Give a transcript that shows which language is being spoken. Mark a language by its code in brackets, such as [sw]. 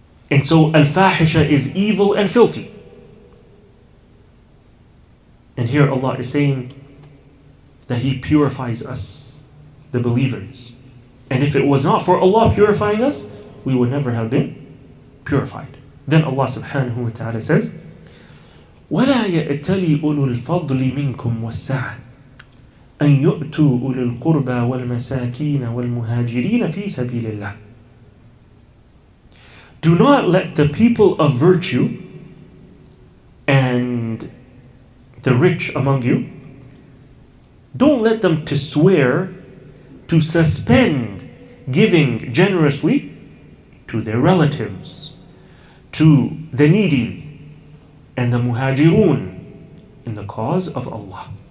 [en] And so al-fahisha is evil and filthy. And here Allah is saying that He purifies us, the believers. And if it was not for Allah purifying us, we would never have been purified. Then Allah subhanahu wa ta'ala says, [ar] وَلَا يَأْتَلِي أُولُو الْفَضْلِ مِنْكُمْ وَالسَّعَةِ أَنْ يُؤْتُوا أُولِي الْقُرْبَى وَالْمَسَاكِينَ وَالْمُهَاجِرِينَ فِي سَبِيلِ اللَّهِ. [en] Do not let the people of virtue and the rich among you, don't let them to swear to suspend giving generously to their relatives, to the needy and the muhajirun in the cause of Allah.